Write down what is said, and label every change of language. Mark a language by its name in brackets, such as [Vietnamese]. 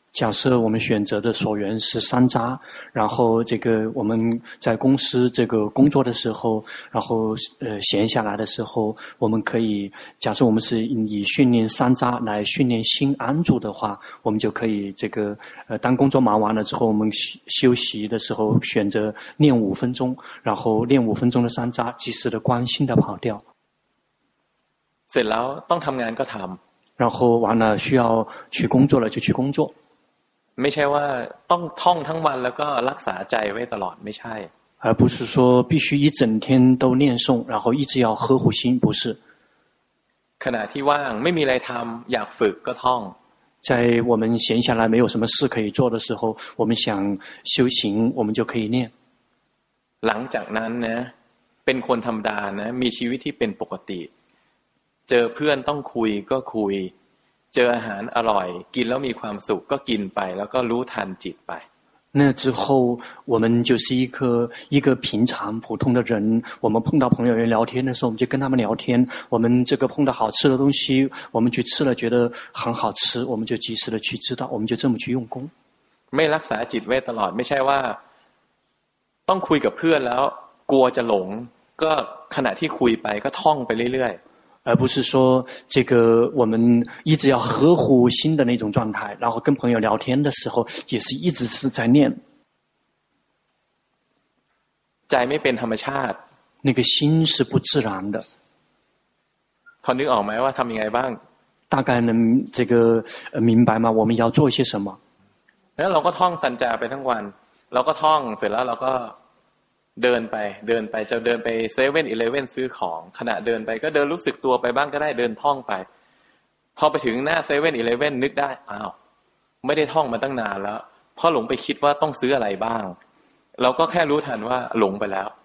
[Chinese] 假设我们选择的所缘是山楂，然后这个我们在公司这个工作的时候，然后闲下来的时候，我们可以假设我们是以训练山楂来训练心安住的话，我们就可以这个当工作忙完了之后，我们休息的时候选择练五分钟，然后练五分钟的山楂，及时的关心的跑掉。 [Thai] เสร็จแล้วต้องทำงานก็ทำ。 [Chinese] 然后完了需要去工作了就去工作。 [Thai] ไม่ใช่ว่าต้องท่องทั้งวันแล้วก็รักษาใจไว้ตลอดไม่ใช่ [Chinese] 而不是说必须一整天都念诵然后一直要呵护心不是 [Thai] ขณะที่ว่างไม่มีอะไรทำอยากฝึกก็ท่อง [Chinese] 在我们闲下来没有什么事可以做的时候我们想修行我们就可以念 [Thai] หลังจากนั้นนะเป็นคนธรรมดานะมีชีวิตที่เป็นปกติเจอเพื่อนต้องคุยก็คุยเจออาหารอร่อยกินแล้วมีความสุขก็กินไปแล้วก็รู้ทันจิตไป [Chinese] 那之后我们就是一个平常普通的人我们碰到朋友聊天的时候我们就跟他们聊天我们这个碰到好吃的东西我们去吃了觉得很好吃我们就及时的去知道我们就这么去用功 [Thai] ไม่รักษาจิตไว้ตลอดไม่ใช่ว่าต้องคุยกับเพื่อนแล้วกลัวจะหลงก็ขณะที่คุยไปก็ท่องไปเรื่อยๆ [Chinese] 而不是说这个我们一直要呵护心的那种状态然后跟朋友聊天的时候也是一直是在念 [Thai] ใจไม่เป็นธรรมชาติ [Chinese] 那个心是不自然的 [Thai] พอนึกออกไหมว่าทำยังไงบ้าง [Chinese] 大概能这个明白吗我们要做些什么 [Thai] แล้วเราก็ท่องสัญจาไปทั้งวันเราก็ท่องเสร็จแล้วเราก็เดินไปจะเดินไปเซเว่นอีเลเว่นซื้อของขณะเดินไปก็เดินรู้สึกตัวไปบ้างก็ได้เดินท่องไปพอไปถึงหน้าเซเว่นอีเลเว่นนึกได้อ้าวไม่ได้ท่องมาตั้งนานแล้วพอหลงไปคิดว่าต้องซื้ออะไรบ้างเราก็แค่รู้ทันว่าหลงไปแล้ว